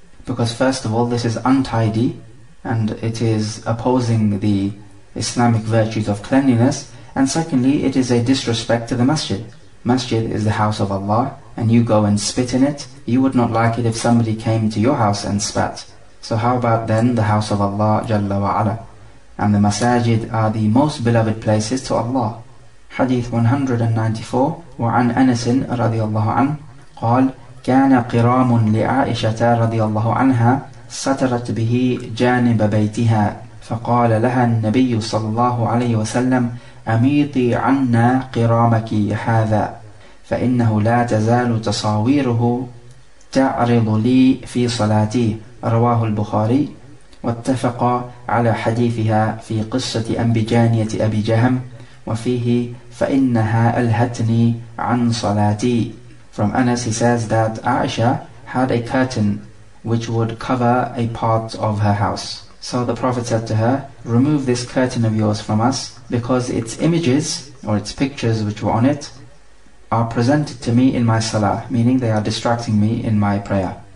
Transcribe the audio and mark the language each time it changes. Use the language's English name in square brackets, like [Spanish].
[English] Because first of all, this is untidy, and it is opposing the Islamic virtues of cleanliness, and secondly, it is a disrespect to the masjid. Masjid is the house of Allah, and you go and spit in it, you would not like it if somebody came to your house and spat. So how about then the house of Allah Jalla wa'ala? And the masajid are the most beloved places to Allah. [Arabic] Hadith 194, وعن أنس رضي الله عنه قال كان قرام لعائشة رضي الله عنها سترت به جانب بيتها فقال لها النبي صلى الله عليه وسلم أميطي عنا قرامك هذا فإنه لا تزال تصاويره تعرض لي في صلاتي رواه البخاري واتفق على حديثها في قصة أنب جانية أبي جهم وفيه فإنها ألهتني عن صلاتي. [English] From Anas, he says that Aisha had a curtain which would cover a part of her house. So the Prophet said to her, remove this curtain of yours from us because its images or its pictures which were on it are presented to me in my salah, meaning they are distracting me in my prayer.